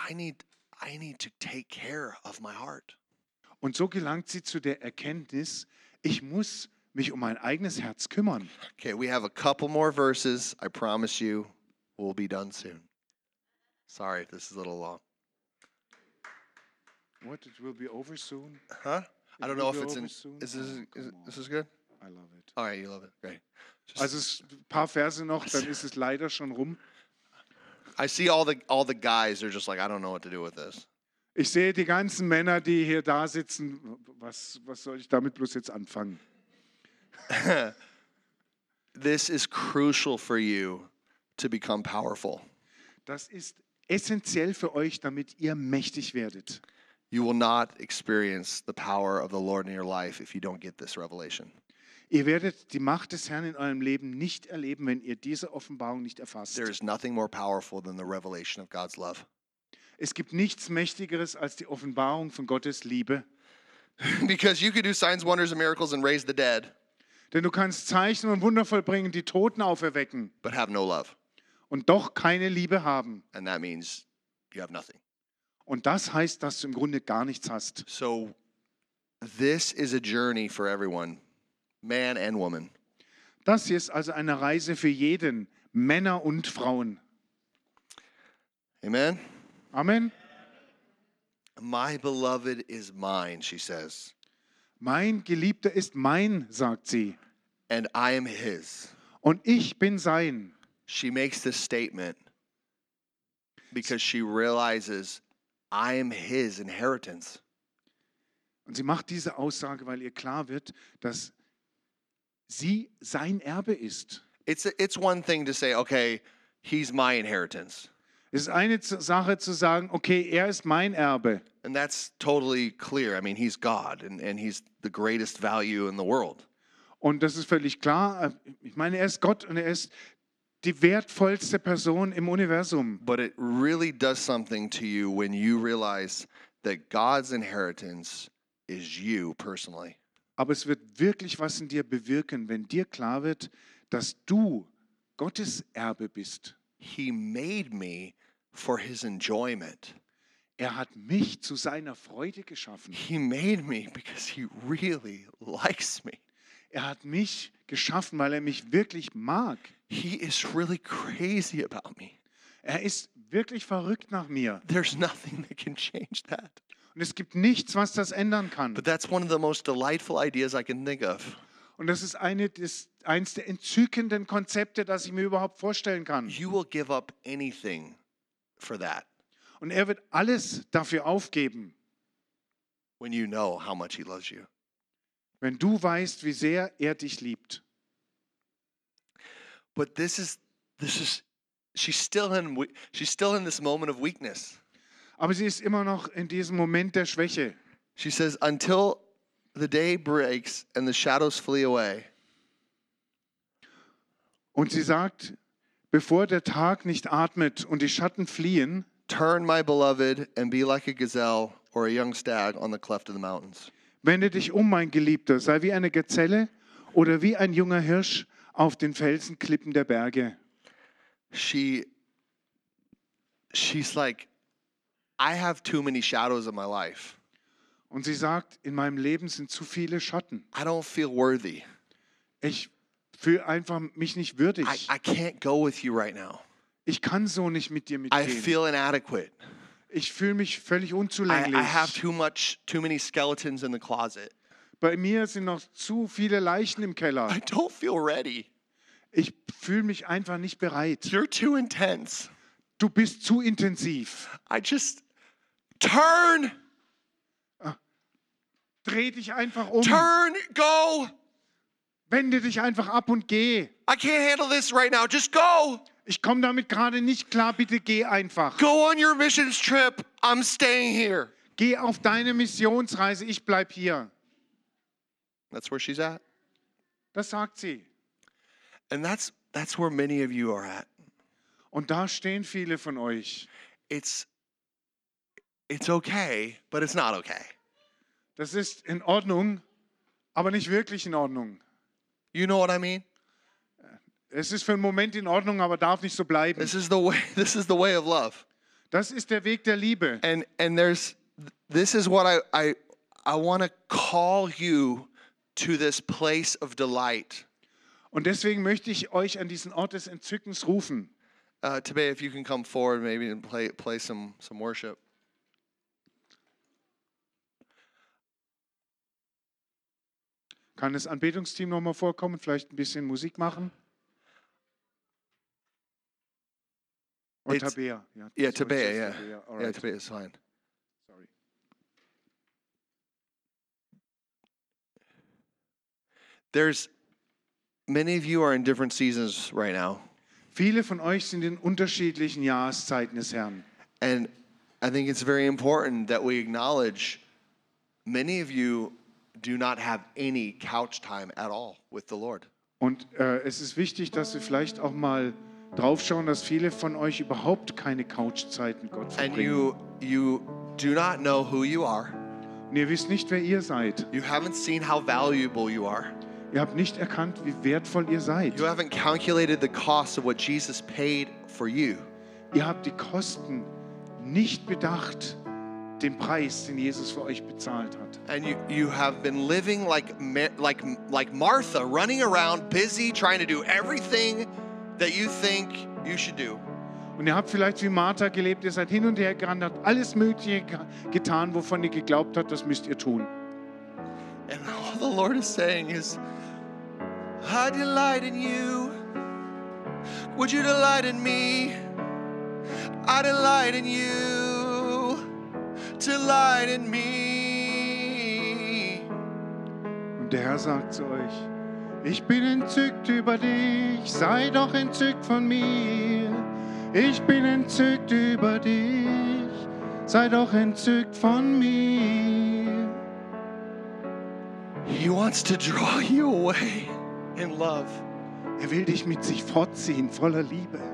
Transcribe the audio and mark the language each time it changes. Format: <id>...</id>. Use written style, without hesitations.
<en>I need to take care of my heart.</en> <de>Und so gelangt sie zu der Erkenntnis, ich muss mich um mein eigenes Herz kümmern.</de> <en>Okay, we have a couple more verses. I promise you, we'll be done soon. Sorry, this is a little long. What, it will be over soon? Huh? It I don't know if it's in... Is this good? I love it. All right, you love it. Great.</en> <de>Just, also, ein paar Verse noch, dann ist es leider schon rum.</de> <en>I see all the guys are just like, I don't know what to do with this.</en> <de>Ich sehe die ganzen Männer, die hier da sitzen. Was soll ich damit bloß jetzt anfangen?</de> <en>This is crucial for you to become powerful.</en> <de>Das ist essentiell für euch, damit ihr mächtig werdet.</de> <en>You will not experience the power of the Lord in your life if you don't get this revelation.</en> <de>Ihr werdet die Macht des Herrn in eurem Leben nicht erleben, wenn ihr diese Offenbarung nicht erfasst.</de> <en>There is nothing more powerful than the revelation of God's love.</en> <de>Es gibt nichts Mächtigeres als die Offenbarung von Gottes Liebe.</de> <en>Because you could do signs, wonders and miracles and raise the dead.</en> <de>Denn du kannst Zeichen und Wunder vollbringen, die Toten auferwecken.</de> <en>But have no love.</en> <de>Und doch keine Liebe haben.</de> <en>And that means you have nothing.</en> <de>Und das heißt, dass du im Grunde gar nichts hast.</de> <en>So this is a journey for everyone, man and woman.</en> <de>Das hier ist also eine Reise für jeden, Männer und Frauen.</de> <en>Amen.</en> <de>Amen.</de> <en>My beloved is mine, she says.</en> <de>Mein Geliebter ist mein, sagt sie.</de> <en>And I am his.</en> <de>Und ich bin sein.</de> <en>She makes this statement because she realizes I am his inheritance.</en> <de>Und sie macht diese Aussage, weil ihr klar wird, dass sie sein Erbe ist.</de> <en>It's one thing to say, okay, he's my inheritance.</en> <de>Es ist eine Sache zu sagen, okay, ist mein Erbe.</de> <en>And that's totally clear. I mean, he's God and he's the greatest value in the world.</en> <de>Und das ist völlig klar. Ich meine, ist Gott und ist die wertvollste Person im Universum.</de> <en>But it really does something to you when you realize that God's inheritance is you personally.</en> <de>Aber es wird wirklich was in dir bewirken, wenn dir klar wird, dass du Gottes Erbe bist.</de> <en>He made me for his enjoyment.</en> <de>Er hat mich zu seiner Freude geschaffen.</de> <en>He made me because he really likes me.</en> <de>Er hat mich geschaffen, weil er mich wirklich mag.</de> <en>He is really crazy about me.</en> <de>Er ist wirklich verrückt nach mir.</de> <en>There's nothing that can change that.</en> <de>Und es gibt nichts, was das ändern kann.</de> <en>But that's one of the most delightful ideas I can think of.</en> <de>Und das ist eins der entzückenden Konzepte, das ich mir überhaupt vorstellen kann.</de> <en>You will give up anything for that.</en> <de>Und wird alles dafür aufgeben.</de> <en>When you know how much he loves you.</en> <de>Wenn du weißt, wie sehr dich liebt.</de> <en>But this is she's still in this moment of weakness.</en> <de>Aber sie ist immer noch in diesem Moment der Schwäche.</de> <en>She says, until the day breaks and the shadows flee away.</en> <de>Und sie sagt, bevor der Tag nicht atmet und die Schatten fliehen,</de> <en>turn my beloved and be like a gazelle or a young stag on the cleft of the mountains.</en> <de>Wende dich um, mein Geliebter, sei wie eine Gazelle oder wie ein junger Hirsch auf den Felsenklippen der Berge.</de> <en>She's like, I have too many shadows in my life.</en> <de>Und sie sagt, in meinem Leben sind zu viele Schatten.</de> <en>I don't feel worthy.</en> <de>Ich fühle einfach mich nicht würdig.</de> <en>I can't go with you right now.</en> <de>Ich kann so nicht mit dir mitgehen.</de> <en>I feel inadequate.</en> <de>Ich fühle mich völlig unzulänglich.</de> <en>I have too many skeletons in the closet.</en> <de>Bei mir sind noch zu viele Leichen im Keller.</de> <en>I don't feel ready.</en> <de>Ich fühle mich einfach nicht bereit.</de> <en>You're too intense.</en> <de>Du bist zu intensiv.</de> <en>I just turn.</en> <de>Dreh dich einfach um.</de> <en>Turn, go.</en> <de>Wende dich einfach ab und geh.</de> <en>I can't handle this right now. Just go.</en> <de>Ich komme damit gerade nicht klar. Bitte geh einfach.</de> <en>Go on your missions trip. I'm staying here.</en> <de>Geh auf deine Missionsreise. Ich bleib hier.</de> <en>That's where she's at.</en> <de>Das sagt sie.</de> <en>And that's where many of you are at.</en> <de>Und da stehen viele von euch.</de> <en>It's okay, but it's not okay.</en> <de>Das ist in Ordnung, aber nicht wirklich in Ordnung.</de> <en>You know what I mean?</en> <de>Es ist für einen Moment in Ordnung, aber darf nicht so bleiben.</de> <en>This is the way of love.</en> <de>Das ist der Weg der Liebe.</de> <en>And there's this is what I want to call you to this place of delight.</en> <de>Und deswegen möchte ich euch an diesen Ort des Entzückens rufen.</de> <en>Tabea, if you can come forward maybe and play some worship.</en> <de>Kann das Anbetungsteam noch mal vorkommen, vielleicht ein bisschen Musik machen? Und Tabea. Ja, Tabea, ja. Ja, Tabea ist fein.</de> <en>Sorry. There's many of you are in different seasons right now.</en> <de>Viele von euch sind in unterschiedlichen Jahreszeiten des Herrn.</de> <en>And I think it's very important that we acknowledge many of you do not have any couch time at all with the Lord.</en> <de>Und es ist wichtig, dass wir vielleicht auch mal drauf schauen, dass viele von euch überhaupt keine Couchzeiten Gott verbringen.</de> <en>And you do not know who you are.</en> <de>Und ihr wisst nicht, wer ihr seid.</de> <en>You haven't seen how valuable you are.</en> <de>Ihr habt nicht erkannt, wie wertvoll ihr seid.</de> <en>You haven't calculated the cost of what Jesus paid for you.</en> <de>Ihr habt die Kosten nicht bedacht, den Preis, den Jesus für euch bezahlt hat.</de> <en>And you have been living like Martha, running around busy trying to do everything that you think you should do.</en> <de>Und ihr habt vielleicht wie Martha gelebt, ihr seid hin und her gerannt, habt alles Mögliche getan, wovon ihr geglaubt habt, das müsst ihr tun.</de> <en>And all the Lord is saying is, I delight in you. Would you delight in me? I delight in you. Delight in me.</en> <de>Und der Herr sagt zu euch, ich bin entzückt über dich, sei doch entzückt von mir. Ich bin entzückt über dich, sei doch entzückt von mir.</de> <en>He wants to draw you away in love.</en> <de>Er will dich mit sich fortziehen, voller Liebe.</de>